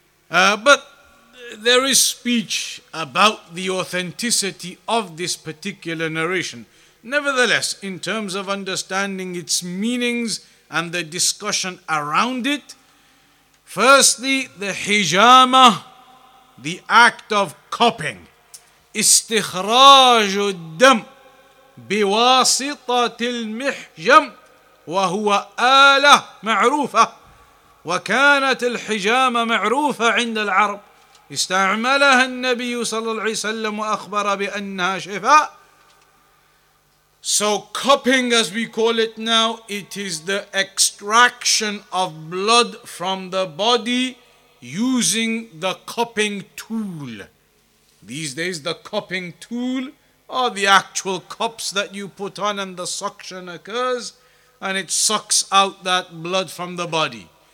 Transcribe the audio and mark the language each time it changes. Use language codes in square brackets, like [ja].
[en] But there is speech about the authenticity of this particular narration. Nevertheless, in terms of understanding its meanings and the discussion around it, firstly, the hijama, the act of cupping. [ar] استخراج الدم بواسطة المحجم وهو آلة معروفة وكانت الحجامة معروفة عند العرب استعملها النبي صلى الله عليه وسلم وأخبر بأنها شفاء. [en] So cupping, as we call it now, it is the extraction of blood from the body using the cupping tool. These days the cupping tool are the actual cups that you put on and the suction occurs and it sucks out that blood from the body.